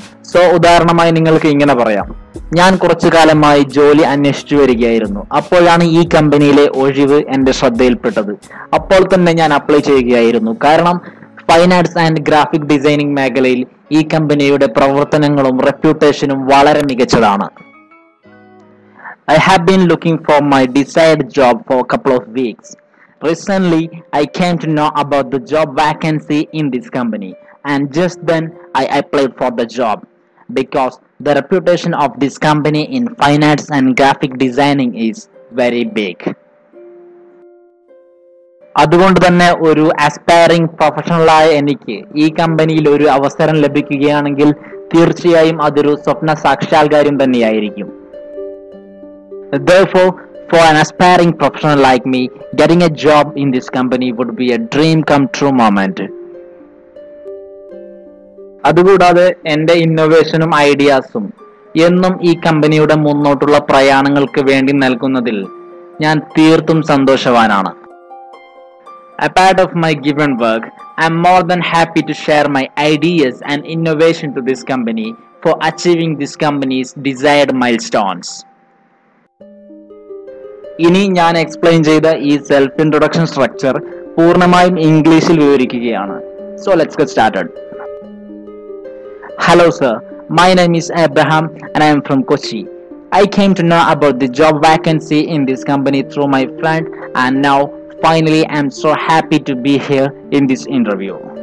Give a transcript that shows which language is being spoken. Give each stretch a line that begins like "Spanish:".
Malayalam: So ഉദാഹരണമായി നിങ്ങൾക്ക് ഇങ്ങനെ പറയാം, ഞാൻ കുറച്ചു കാലമായി ജോലി അന്വേഷിച്ചു വരികയായിരുന്നു. അപ്പോഴാണ് ഈ കമ്പനിയിലെ ഒഴിവ് എൻ്റെ ശ്രദ്ധയിൽപ്പെട്ടത്. അപ്പോൾ തന്നെ ഞാൻ അപ്ലൈ ചെയ്യുകയായിരുന്നു. കാരണം fine arts and graphic designing മേഖലയിൽ ഈ കമ്പനിയുടെ പ്രവർത്തനങ്ങളും റെപ്യൂട്ടേഷനും വളരെ മികച്ചതാണ്.
English: I have been looking for my desired job for a couple of weeks. Recently, I came to know about the job vacancy in this company and just then I applied for the job because the reputation of this company in fine arts and graphic designing is very big.
Malayalam: അതുകൊണ്ട് തന്നെ ഒരു aspiring പ്രൊഫഷണലായ എനിക്ക് ഈ കമ്പനിയിൽ ഒരു അവസരം ലഭിക്കുകയാണെങ്കിൽ തീർച്ചയായും അതൊരു സ്വപ്ന സാക്ഷാത്കാരം തന്നെയായിരിക്കും.
English: Therefore, for an aspiring professional like me, getting a job in this company would be a dream come true moment.
Malayalam: അതുകൂടാതെ എന്റെ ഇന്നോവേഷനും ഐഡിയാസും എന്നും ഈ കമ്പനിയുടെ മുന്നോട്ടുള്ള പ്രയാണങ്ങൾക്ക് വേണ്ടി നൽകുന്നതിൽ ഞാൻ തീർത്തും സന്തോഷവാനാണ്.
English: Apart of my given work, I'm more than happy to share my ideas and innovation to this company for achieving this company's desired milestones.
Malayalam: ഇനി ഞാൻ എക്സ്പ്ലെയിൻ ചെയ്ത ഈ സെൽഫ് ഇൻട്രൊഡക്ഷൻ സ്ട്രക്ചർ പൂർണ്ണമായും ഇംഗ്ലീഷിൽ വിവരിക്കുകയാണ്.
English: So let's get started. Hello sir, my name is Abraham and I am from Kochi. I came to know about the job vacancy in this company through my friend and now finally I am so happy to be here in this interview.